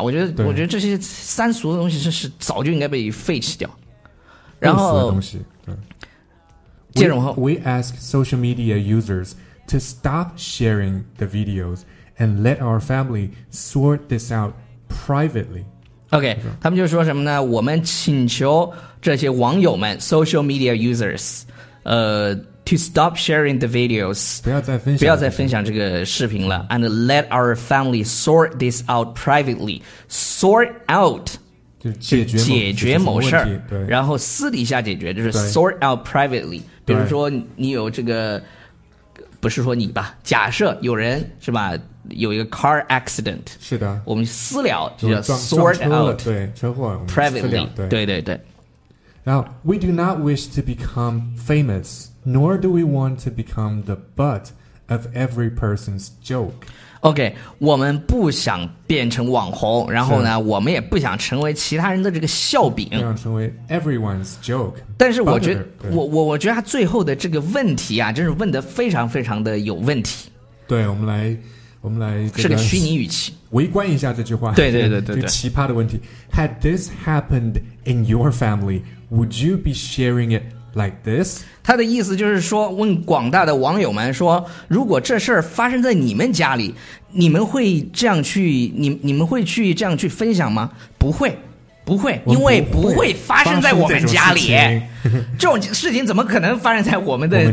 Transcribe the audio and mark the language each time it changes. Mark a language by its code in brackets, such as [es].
[zh] 我觉得这些三俗的东西是早就应该被废弃掉，然后东西，对，接着往后 [en] we ask social media users to stop sharing the videos and let our family sort this out privately. [zh] OK， 他们就说什么呢，我们请求这些网友们 [en] social media users to stop sharing the videos， [zh] 不要再分享这个视频了， [en] and let our family sort this out privately. Sort out [zh] 解决某事儿，然后私底下解决，就是 [en] sort out privately。 [zh] 比如说你有这个，不是说你吧，假设有人是吧，有一个 car accident，是的，我们私聊就叫 sort out，对，车祸 [en] privately， [zh] 对对对。然后 [en] we do not wish to become famous， nor do we want to become the butt of every person's joke。 [zh] OK， 我们不想变成网红，然后呢我们也不想成为其他人的这个笑柄，不想成为 [en] everyone's joke。 [zh] 但是我觉得 我觉得他最后的这个问题啊，真是问得非常非常的有问题。对，我们来、这个、是个虚拟语气，围观一下这句话，对对对对，就奇葩的问题。 [en] Had this happened in your family would you be sharing itLike this， [zh] 他的意思就是说，问广大的网友们说，如果这事儿发生在你们家里，你们会这样去，你们会去这样去分享吗？不会，不会，因为不会发生在我们家里。这种事情怎么可能发生在我们的